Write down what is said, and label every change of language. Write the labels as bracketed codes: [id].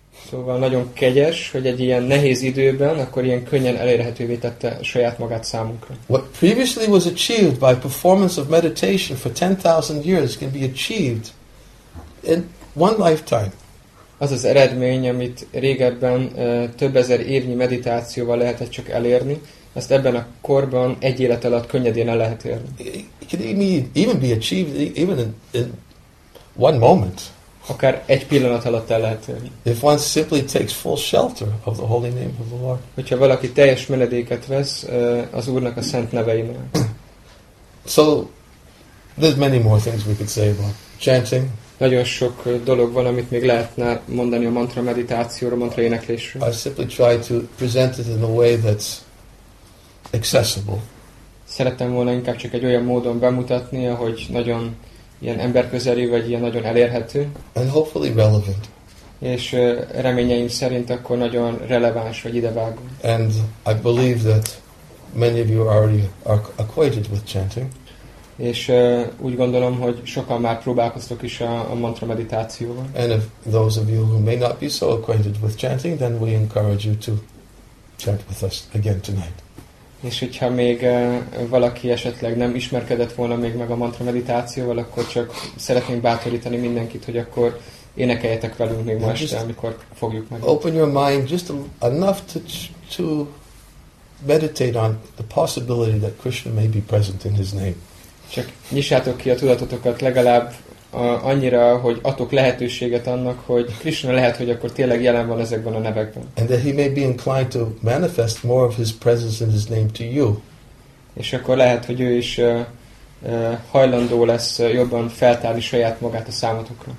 [hu] Szóval nagyon kegyes, hogy egy ilyen nehéz időben akkor ilyen könnyen elérhetővé tette saját magát számunkra. [en] What previously was achieved by performance of meditation for 10,000 years can be achieved in one lifetime. [hu] Az az eredmény, amit régebben több ezer évnyi meditációval lehetett csak elérni, ezt ebben a korban egy élet alatt könnyedén el lehet érni. [en] It could even be achieved even in one moment. [hu] Akár egy pillanat alatt el lehet érni. [en] If one simply takes full shelter of the holy name of the Lord. [hu] Hogyha valaki teljes menedéket vesz az Úrnak a szent neveinél. [en] So, there's many more things we could say about chanting. [hu] Nagyon sok dolog van, amit még lehetne mondani a mantra meditációra, mantra éneklésről. [en] I simply try to present it in a way that's accessible. [hu] Szerettem volna inkább csak egy olyan módon bemutatni, ahogy nagyon ilyen emberközeli, vagy ilyen nagyon elérhető. [en] And hopefully relevant. [hu] És reményeim szerint akkor nagyon releváns, vagy idevágó. [en] And I believe that many of you already are acquainted with chanting. [hu] És úgy gondolom, hogy sokan már próbálkoztok is a mantra meditációval. [en] And if those of you who may not be so acquainted with chanting, then we encourage you to chant with us again tonight. [hu] És hogyha még valaki esetleg nem ismerkedett volna még meg a mantra meditációval, akkor csak szeretnénk bátorítani mindenkit, hogy akkor énekeljetek velünk még ma este, amikor fogjuk meg. [en] Open your mind just enough to meditate on the possibility that Krishna may be present in his name. [hu] Csak nyissátok ki a tudatotokat legalább annyira, hogy adok lehetőséget annak, hogy Krishna lehet, hogy akkor tényleg jelen van ezekben a nevekben. [en] And that he may be inclined to manifest more of his presence in his name to you. [hu] És akkor lehet, hogy ő is hajlandó lesz jobban feltárni saját magát a számotokra.